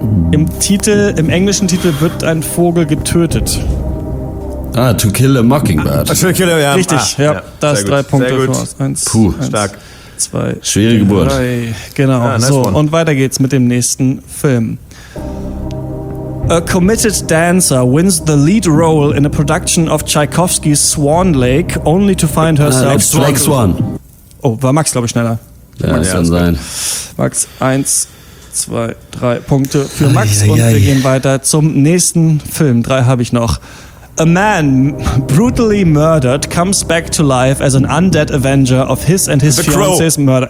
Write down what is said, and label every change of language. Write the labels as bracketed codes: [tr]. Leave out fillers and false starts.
[de] Im englischen Titel wird ein Vogel getötet. [en] Ah, To Kill a Mockingbird. To Kill a [de] Mockingbird. Richtig, ja. Das ist 3 Punkte für uns. 1, 2, Schwere Geburt. Genau, ja, nice so. One. Und weiter geht's mit dem nächsten Film. [en] A committed dancer wins the lead role in a production of Tchaikovsky's Swan Lake, only to find herself... Black Swan. [de] Oh, war Max, glaube ich, schneller. Ja, das kann sein. Max, 1, 2, 3 Punkte für Max. Wir gehen weiter zum nächsten Film. 3 habe ich noch. [en] A man brutally murdered comes back to life as an undead avenger of his and his fiance's murder.